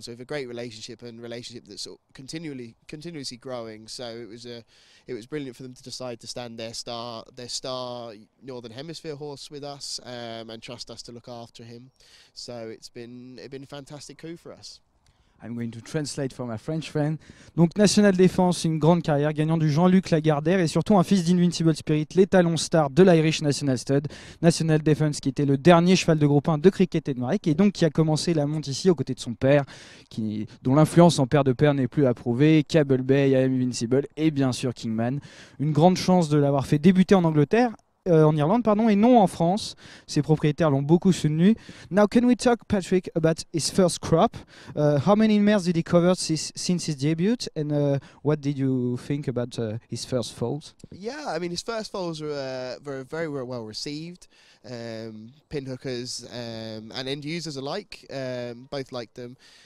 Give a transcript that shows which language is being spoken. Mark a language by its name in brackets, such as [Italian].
[English] So we have a great relationship and relationship that's continuously growing. So it was brilliant for them to decide to stand their star Northern Hemisphere horse with us and trust us to look after him. So it's been a fantastic coup for us. I'm going to translate for my French friend. [French] Donc National Défense, une grande carrière, gagnant du Jean-Luc Lagardère et surtout un fils d'Invincible Spirit, l'étalon star de l'Irish National Stud. National Défense qui était le dernier cheval de groupe 1 de Criquette Head Marek et donc qui a commencé la monte ici aux côtés de son père, dont l'influence en père de père n'est plus à prouver, Cable Bay, I'm Invincible et bien sûr Kingman. Une grande chance de l'avoir fait débuter en Angleterre. En Irlande, pardon, et non en France. Ses propriétaires l'ont beaucoup soutenu. [English] Now, can we talk, Patrick, about his first crop? How many mares did he cover since his debut? And what did you think about his first foals? Yeah, I mean, his first foals were very well received. Pinhookers and end users alike both liked them.